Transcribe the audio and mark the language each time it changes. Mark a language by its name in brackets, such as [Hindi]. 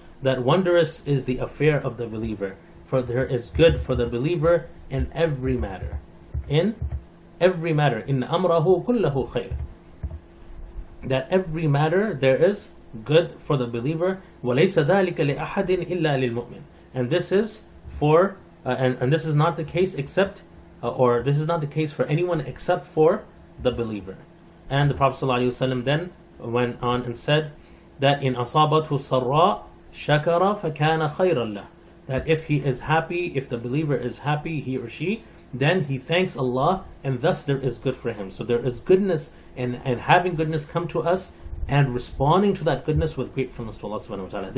[English] That wondrous is the affair of the believer, for there is good for the believer in every matter. In every matter, [Arabic] إن أمره كله خير. [English] That every matter there is good for the believer. [Arabic] وليس ذلك لأحد إلا للمؤمن. [English] And this is for and this is not the case except or this is not the case for anyone except for the believer. And the Prophet sallallahu alaihi wasallam then went on and said that [Arabic] in asabatu sarra shakara fa kana khayran lah, [English] that if he is happy, if the believer is happy, he or she, then he thanks Allah and thus there is good for him. So there is goodness and having goodness come to us and responding to that goodness with gratefulness to Allah subhanahu wa ta'ala.